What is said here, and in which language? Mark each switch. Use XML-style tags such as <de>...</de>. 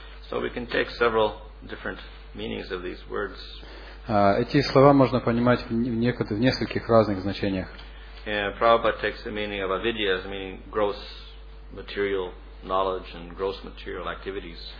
<en>So we can take several different meanings of these words.</en> <ru>Эти слова можно понимать в нескольких разных значениях.</ru> <en>Yeah, Prabhupada takes the meaning of avidya as meaning gross material knowledge and gross material activities.</en>